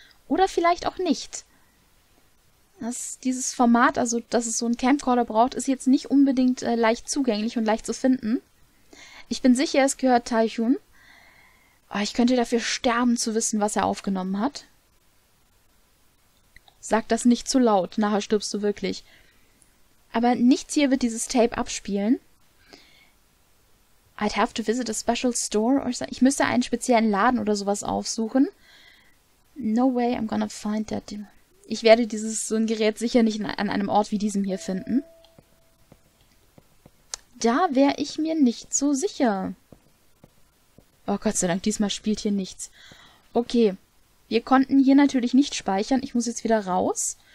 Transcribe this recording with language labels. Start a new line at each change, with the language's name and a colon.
German: Oder vielleicht auch nicht. Dieses Format, also dass es so einen Camcorder braucht, ist jetzt nicht unbedingt leicht zugänglich und leicht zu finden. Ich bin sicher, es gehört Taichun. Aber ich könnte dafür sterben, zu wissen, was er aufgenommen hat. Sag das nicht zu laut, nachher stirbst du wirklich. Aber nichts hier wird dieses Tape abspielen.
English: I'd have to visit a special store or something.
German: Ich müsste einen speziellen Laden oder sowas aufsuchen.
English: No way I'm gonna find that.
German: Ich werde dieses so ein Gerät sicher nicht an einem Ort wie diesem hier finden. Da wäre ich mir nicht so sicher. Oh Gott sei Dank, diesmal spielt hier nichts. Okay, wir konnten hier natürlich nicht speichern. Ich muss jetzt wieder raus.